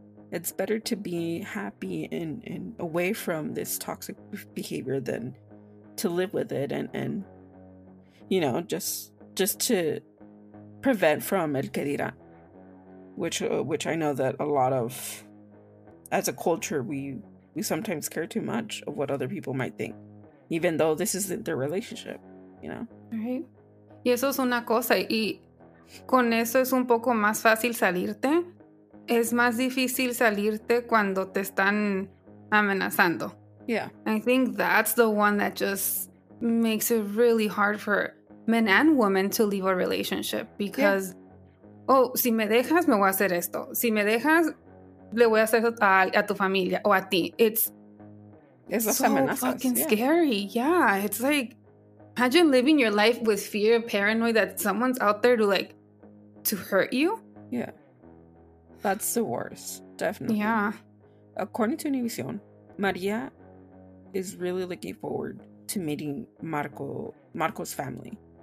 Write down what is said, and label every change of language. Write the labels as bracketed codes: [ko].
[en] It's better to be happy and away from this toxic behavior than to live with it and you know, just to prevent from [es] el que dirán, [en] which I know that a lot of, as a culture, we sometimes care too much of what other people might think, even though this isn't their relationship, you know? Right. [es] Y eso es una cosa, y con eso es un poco más fácil salirte. Es más difícil salirte cuando te están amenazando. [en] Yeah. I think that's the one that just makes it really hard for men and women to leave a relationship. Because, [es] si me dejas, me voy a hacer esto. Si me dejas, le voy a hacer esto a tu familia o a ti. [en] It's so fucking scary. Yeah, it's like, imagine living your life with fear, paranoid that someone's out there to hurt you. Yeah. That's the worst. Definitely. Yeah. According to Univision, Maria is really looking forward to meeting Marco's family.